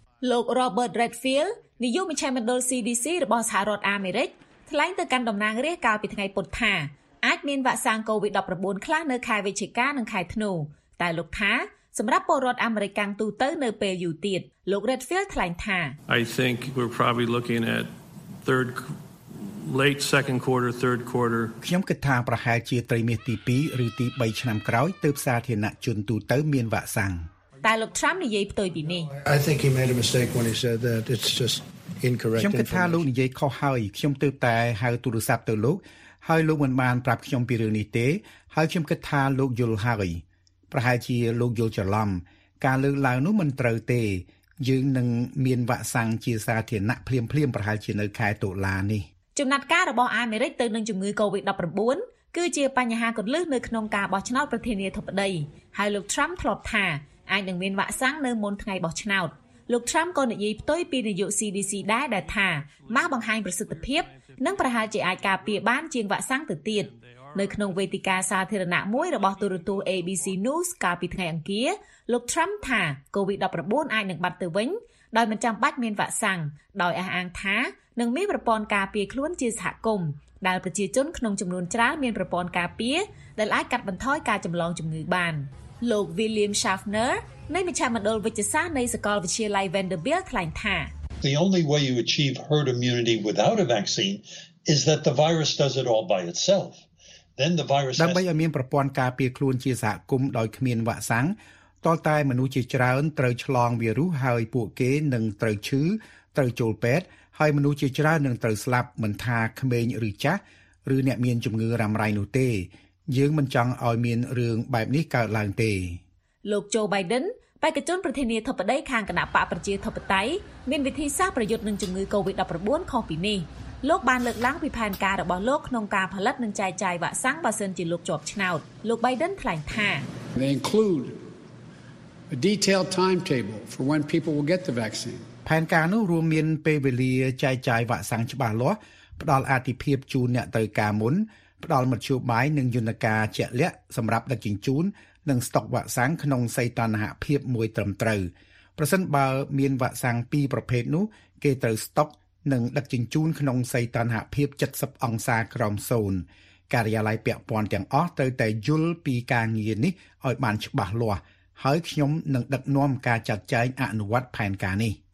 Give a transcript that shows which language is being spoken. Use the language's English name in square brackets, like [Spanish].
[Khmer] លោក Robert Redfield នាយកមជ្ឈមណ្ឌល CDC របស់សហរដ្ឋអាមេរិកថ្លែងទៅកាន់តំណាងរាស្ត្រកាលពីថ្ងៃពុធថាអាចមានវ៉ាក់សាំង COVID-19 ខ្លះនៅខែវិច្ឆិកានិងខែធ្នូតែលោកថាសម្រាប់ពលរដ្ឋអាមេរិកទូទៅនៅពេលយូរទៀតលោក Redfield ថ្លែងថា [English] I think we're probably looking at third late second quarter third quarter [Khmer] ខ្ញុំគិតថាប្រហែលជាត្រីមាសទី2ឬទី3ឆ្នាំក្រោយទើបសាធារណជនទូទៅមានវ៉ាក់សាំង តែលោក Trump និយាយផ្ទុយពីនេះ [English] I think he made a mistake when he said that it's just incorrect [Khmer] ខ្ញុំគិតថាលោកនិយាយខុសហើយខ្ញុំទើបតែហៅទូរស័ព្ទទៅលោកហើយលោកមិនបានប្រាប់ខ្ញុំពីរឿងនេះទេហើយខ្ញុំគិតថាលោកយល់ហើយប្រហែលជាលោកយល់ច្រឡំការលើកឡើងនោះមិនត្រូវទេយើងនឹងមានវ៉ាក់សាំងជាសាធារណៈភ្លាមៗប្រហែលជានៅខែតុលានេះ ចំណាត់ការរបស់អាមេរិកទៅនឹងជំងឺ COVID-19 គឺជាបញ្ហាគន្លឹះនៅក្នុងការបោះឆ្នោតប្រធានាធិបតីហើយលោក Trump ធ្លាប់ថាអាចនឹងមានវ៉ាក់សាំងនៅមុនថ្ងៃបោះឆ្នោតលោក Trump ក៏និយាយផ្ទុយពីនាយក CDC ដែរដែលថាមកបង្ហាញប្រសិទ្ធភាពនិងប្រហែលជាអាចការពារបានជាងវ៉ាក់សាំងទៅទៀត នៅក្នុងវេទិកាសាធារណៈមួយរបស់ទូរទស្សន៍ ABC News កាលពីថ្ងៃអង្គារលោក Trump ថា COVID-19 អាចនឹងបាត់ទៅវិញដោយមិនចាំបាច់មានវ៉ាក់សាំងដោយអះអាងថានឹងមានប្រព័ន្ធការពារខ្លួនជាសហគមន៍ដែលប្រជាជនក្នុងចំនួនច្រើនមានប្រព័ន្ធការពារដែលអាចកាត់បន្ថយការចម្លងជំងឺបានលោក William Schaffner នៃមជ្ឈមណ្ឌលវេជ្ជសាស្ត្រនៃសាកលវិទ្យាល័យ Vanderbilt ថ្លែងថា [English] The only way you achieve herd immunity without a vaccine is that the virus does it all by itself. Then the virus [Khmer] ដើម្បីឲ្យមានប្រព័ន្ធការពារខ្លួនជាសហគមន៍ដោយគ្មានវ៉ាក់សាំងតលតែមនុស្សជាច្រើនត្រូវឆ្លងវីរុសហើយពួកគេនឹងត្រូវឈឺត្រូវចូលពេទ្យហើយមនុស្សជាច្រើននឹងត្រូវស្លាប់មិនថាក្មេងឬចាស់ឬអ្នកមានជំងឺរ៉ាំរ៉ៃនោះទេយើងមិនចង់ឲ្យមានរឿងបែបនេះកើតឡើងទេ លោកโจ Biden បេក្ខជនប្រធានាធិបតីខាងគណបកប្រជាធិបតេយ្យមានវិធីសាស្ត្រប្រយុទ្ធនឹងជំងឺ COVID-19 ខុសពីនេះលោកបានលើកឡើងពីផែនការរបស់លោកក្នុងការផលិតនិងចែកចាយវ៉ាក់សាំងបើសិនជាលោកជាប់ឆ្នោតលោក Biden ថ្លែងថា [English] They include a detailed timetable for when people will get the vaccine [Khmer] ផែនការនោះរួមមានពេលវេលាចែកចាយវ៉ាក់សាំងច្បាស់លាស់ផ្ដល់អាទិភាពជូនអ្នកត្រូវការមុនផ្ដល់មធ្យោបាយនិងយន្តការជាក់លាក់សម្រាប់ដឹកជញ្ជូននិងស្តុកវ៉ាក់សាំងក្នុងសីតុណ្ហភាពមួយត្រឹមត្រូវ ប្រសិនបើមានវ៉ាក់សាំងពីរប្រភេទនោះគេត្រូវស្តុកនឹងដឹកជញ្ជូនក្នុងសីតុណ្ហភាព70អង្សាក្រោមសូន្យការិយាល័យពាក់ព័ន្ធទាំងអស់ត្រូវតែយល់ពីការងារនេះឲ្យបានច្បាស់លាស់ហើយខ្ញុំនឹងដឹកនាំការចាត់ចែងអនុវត្តផែនការនេះ